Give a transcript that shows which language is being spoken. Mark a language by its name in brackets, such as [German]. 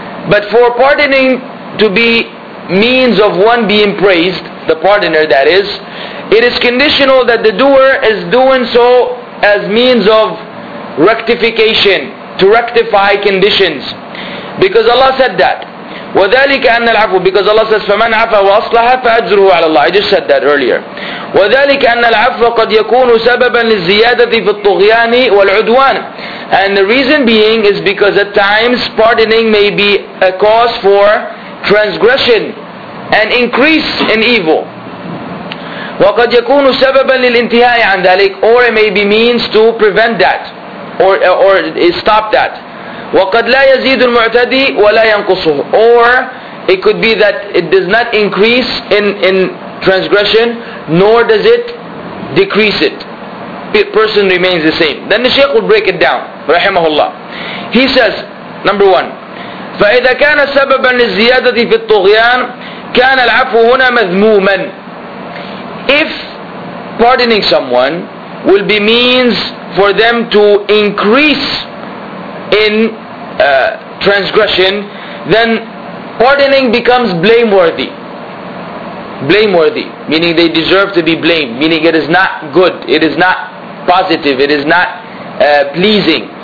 [English] But for pardoning to be means of one being praised, the pardoner that is, it is conditional that the doer is doing so as means of rectification, to rectify conditions. Because Allah said that. [Arabic] وَذَلِكَ أَنَّ الْعَفُوَ, [English] because Allah says, [Arabic] فَمَنْ عَفَى وَأَصْلَحَ فَأَجْرُهُ عَلَى اللَّهِ. [English] I just said that earlier. [Arabic] وَذَلِكَ أَنَّ الْعَفْوَ قَدْ يَكُونُ سَبَبًا لِلزِّيَادَةِ فِي الطُّغْيَانِ وَالْعُدْوَانِ. [English] And the reason being is because at times pardoning may be a cause for transgression and increase in evil. [Arabic] وَقَدْ يَكُونُ سَبَبًا لِلْإِنْتِهَاءِ عَنْ ذَلِكَ, [English] or it may be means to prevent that or stop that. [Arabic] وَقَدْ لَا يَزِيدُ الْمُعْتَدِي وَلَا يَنْقُصُهُ, [English] or it could be that it does not increase in transgression, nor does it decrease it. Person remains the same. Then the Shaykh will break it down, rahimahullah. He says, number one, [Arabic] فَإِذَا كَانَ سَبَبًا لِلزِّيَادَةِ فِي الطُّغْيَانِ كَانَ الْعَفُوْ هُنَا مَذْمُومًا. [English] If pardoning someone will be means for them to increase in transgression, then pardoning becomes blameworthy. Blameworthy, meaning they deserve to be blamed, meaning it is not good, it is not positive, it is not pleasing.